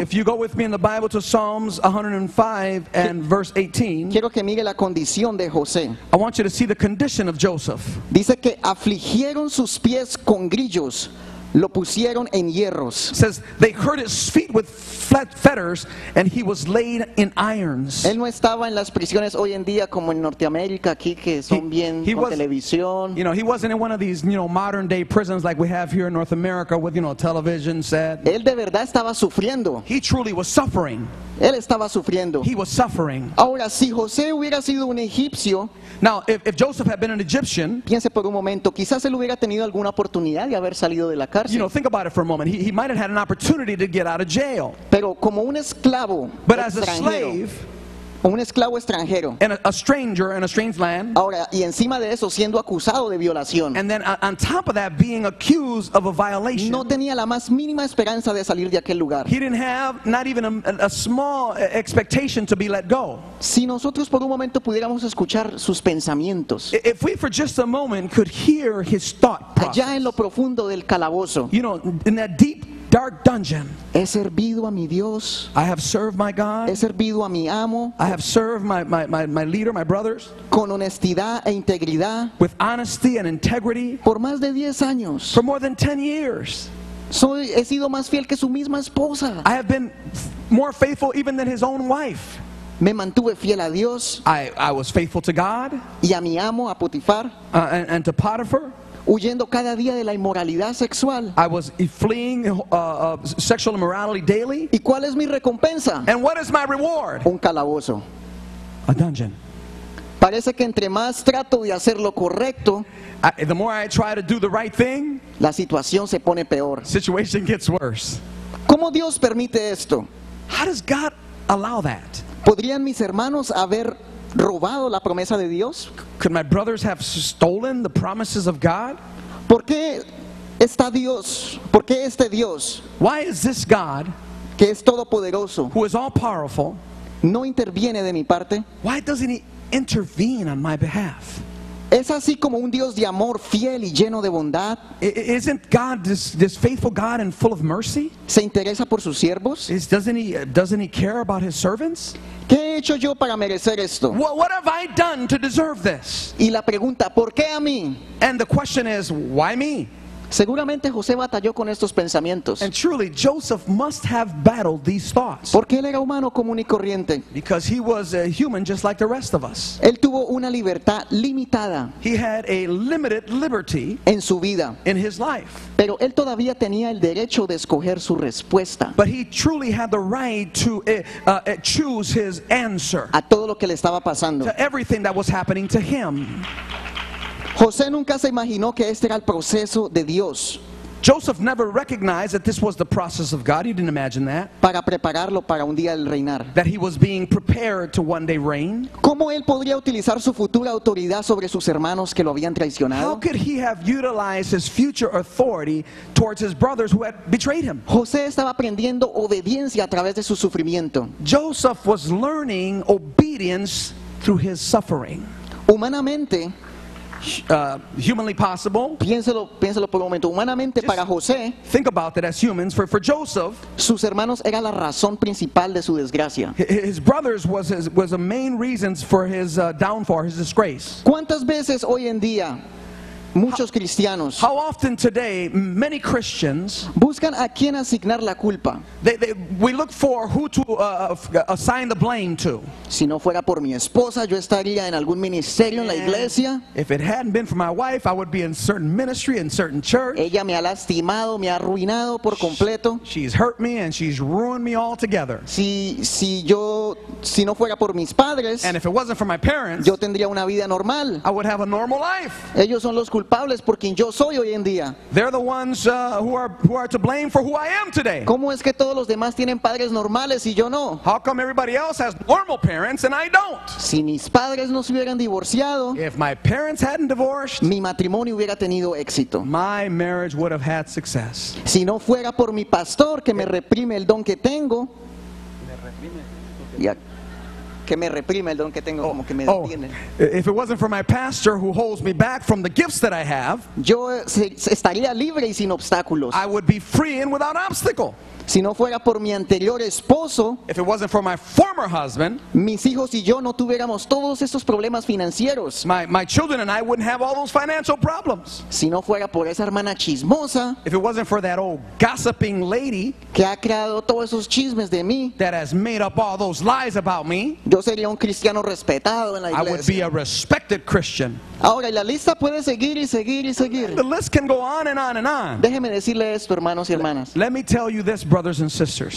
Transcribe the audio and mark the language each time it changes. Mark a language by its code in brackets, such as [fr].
[en] If you go with me in the Bible to Psalms 105 and verse 18. [es] Quiero que mire la condición de José. [en] I want you to see the condition of Joseph. [es] Dice que afligieron sus pies con grillos. Lo pusieron en hierros. [en] Says they hurt his feet with fetters and he was laid in irons. [es] Él no estaba en las prisiones hoy en día como en Norteamérica aquí que son bien con televisión. [en] You know, he wasn't in one of these, you know, modern day prisons like we have here in North America with, you know, a television set. [es] Él de verdad estaba sufriendo. [en] He truly was suffering. [es] Él estaba sufriendo. [en] He was suffering. [es] Ahora si José hubiera sido un egipcio, [en] now if Joseph had been an Egyptian, [es] piense por un momento, quizás él hubiera tenido alguna oportunidad de haber salido de la cárcel. [en] You know, think about it for a moment. He might have had an opportunity to get out of jail. [es] Pero como un esclavo, [en] but as a slave, [es] un esclavo extranjero, [en] and a stranger in a strange land, [es] ahora, y encima de eso, siendo acusado de violación, [en] and then on top of that being accused of a violation, [es] no tenía la más mínima esperanza de salir de aquel lugar. [en] He didn't have not even a small expectation to be let go. [es] Si nosotros por un momento pudiéramos escuchar sus pensamientos, [en] if we for just a moment could hear his thought process, [es] allá en lo profundo del calabozo, [en] you know, in that deep dark dungeon, [es] he servido a mi Dios. [en] I have served my God. [es] He servido a mi amo. [en] I have served my leader, my brothers. [es] Con honestidad e integridad. [en] With honesty and integrity. [es] Por más de 10 años. [en] For more than 10 years. [es] He sido más fiel que su misma esposa. [en] I have been more faithful even than his own wife. [es] Me mantuve fiel a Dios. [en] I was faithful to God. [es] Y a mi amo, a Potifar. [en] And to Potiphar. [es] Huyendo cada día de la inmoralidad sexual. [en] I was fleeing sexual immorality daily. [es] ¿Y cuál es mi recompensa? [en] And what is my reward? [es] Un calabozo. [en] A dungeon. [es] Parece que entre más trato de hacer lo correcto, [en] the more I try to do the right thing, [es] la situación se pone peor. [en] Situation gets worse. [es] ¿Cómo Dios permite esto? [en] How does God allow that? [es] ¿Podrían mis hermanos haber robado la promesa de Dios? [en] Could my brothers have stolen the promises of God? [es] ¿Por qué está Dios? ¿Por qué este Dios? [en] Why is this God, [es] que es todopoderoso, [en] who is all powerful, [es] no interviene de mi parte? [en] Why doesn't he intervene on my behalf? [es] ¿Es así como un Dios de amor fiel y lleno de bondad? [en] Isn't God this faithful God and full of mercy? [es] ¿Se interesa por sus siervos? [en] Doesn't he care about his servants? [es] ¿Qué he hecho yo para merecer esto? [en] What have I done to deserve this? [es] Y la pregunta, ¿por qué a mí? [en] And the question is, why me? [es] Seguramente José batalló con estos pensamientos. [en] And truly, Joseph must have battled these thoughts. [es] Porque él era humano común y corriente. [en] Because he was a human just like the rest of us. [es] Él tuvo una libertad limitada. [en] He had a limited liberty [es] en su vida. [en] In his life. [es] Pero él todavía tenía el derecho de escoger su respuesta. [en] But he truly had the right to choose his answer. [es] A todo lo que le estaba pasando. [en] To everything that was happening to him. [es] José nunca se imaginó que este era el proceso de Dios. [en] Joseph never recognized that this was the process of God. He didn't imagine that. [es] Para prepararlo para un día el reinar. [en] That he was being prepared to one day reign. [es] ¿Cómo él podría utilizar su futura autoridad sobre sus hermanos que lo habían traicionado? [en] How could he have utilized his future authority towards his brothers who had betrayed him? [es] José estaba aprendiendo obediencia a través de su sufrimiento. [en] Joseph was learning obedience through his suffering. [es] Humanamente, [en] humanly possible. [es] Piénselo por un momento. Humanamente, para José, [en] think about it as humans. For Joseph, [es] sus hermanos era la razón principal de su desgracia. [en] His brothers was the main reasons for his downfall, his disgrace. [es] ¿Cuántas veces hoy en día muchos cristianos? [en] How often today many Christians [es] buscan a quien asignar la culpa. [en] We look for who to assign the blame to. [es] Si no fuera por mi esposa, yo estaría en algún ministerio en la iglesia. [en] If it hadn't been for my wife, I would be in certain ministry, in certain church. [es] Ella me ha lastimado, me ha arruinado por completo. [en] She's hurt me and she's ruined me altogether. [es] Si no fuera por mis padres, [en] and if it wasn't for my parents, [es] yo tendría una vida normal. [en] I would have a normal life. [es] Ellos son los culpables por quien yo soy hoy en día. [en] They're the ones who are to blame for who I am today. [es] ¿Cómo es que todos los demás tienen padres normales y yo no? [en] How come everybody else has normal parents and I don't? [es] Si mis padres no se hubieran divorciado, [en] if my parents hadn't divorced, [es] mi matrimonio hubiera tenido éxito. [en] My marriage would have had success. [es] Si no fuera por mi pastor que me reprime el don que tengo. [en] If it wasn't for my pastor who holds me back from the gifts that I have, [es] yo estaría libre y sin obstáculos. [en] I would be free and without obstacle. [es] Si no fuera por mi anterior esposo, [en] if it wasn't for my former husband, [es] mis hijos y yo no tuviéramos todos estos problemas financieros. [en] My children and I wouldn't have all those financial problems. [es] Si no fuera por esa hermana chismosa, [en] if it wasn't for that old gossiping lady, [es] que ha creado todos esos chismes de mí, [en] that has made up all those lies about me, [es] yo sería un cristiano respetado en la iglesia. [en] I would be a respected Christian. [es] Ahora, la lista puede seguir y seguir y seguir. [en] The list can go on and on and on. [es] Déjeme decirle esto, hermanos y hermanas. [en] Let me tell you this, brothers and sisters.